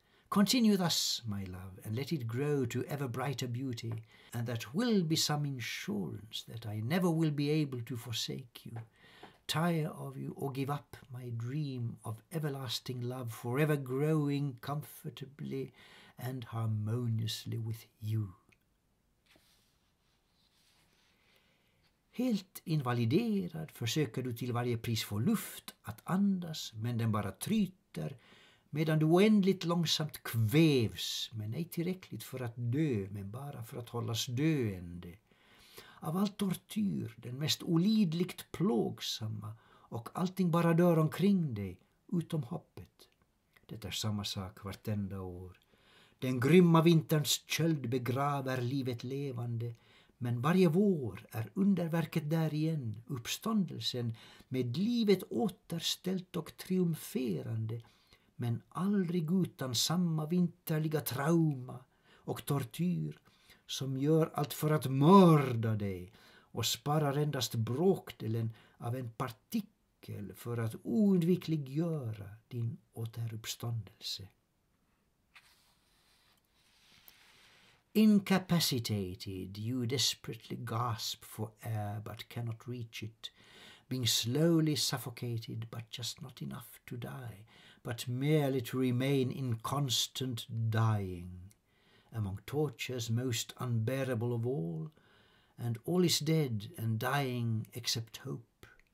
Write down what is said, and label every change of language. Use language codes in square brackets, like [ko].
[en] Continue thus, my love, and let it grow to ever brighter beauty, and that will be some insurance that I never will be able to forsake you, tire of you, or give up my dream of everlasting love forever growing comfortably and harmoniously with you. [sv] Helt invaliderad försöker du till varje pris få luft att andas, men den bara tryter, medan du oändligt långsamt kvävs, men ej tillräckligt för att dö, men bara för att hållas döende. Av all tortyr, den mest olidligt plågsamma, och allting bara dör omkring dig, utom hoppet. Detta är samma sak vartenda år. Den grymma vinterns köld begraver livet levande, men varje vår är underverket där igen, uppståndelsen, med livet återställt och triumferande, men aldrig utan samma vinterliga trauma och tortyr som gör allt för att mörda dig och sparar endast bråkdelen av en partikel för att oundvikliggöra din återuppståndelse. [en] Incapacitated, you desperately gasp for air but cannot reach it, being slowly suffocated, but just not enough to die, but merely to remain in constant dying, among tortures most unbearable of all, and all is dead and dying except hope.